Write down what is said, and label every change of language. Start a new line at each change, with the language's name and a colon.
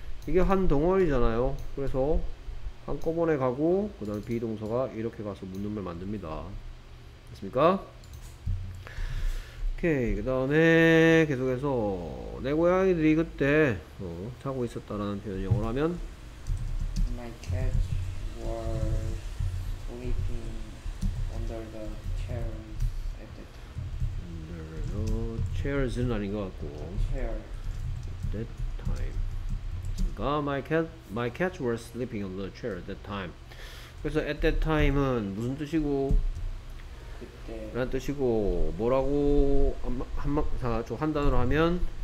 Korean: 이게 한 덩어리잖아요. 그래서 한꺼번에 가고 그 다음에 비동사가 이렇게 가서 묻는 말 만듭니다. 됐습니까? 오케이. 그 다음에 계속해서 내 고양이들이 그때 자고 있었다라는 표현 영어로 하면
English: My cats were sleeping under the chairs at that time. Under the chairs
Korean: 는 아닌 것 같고
English: chair. At that time. My cats were sleeping on the chair at that time.
Korean: 그래서
English: at that time
Korean: 은 무슨 뜻이고? 그때 라는 뜻이고 뭐라고 한 단어로 하면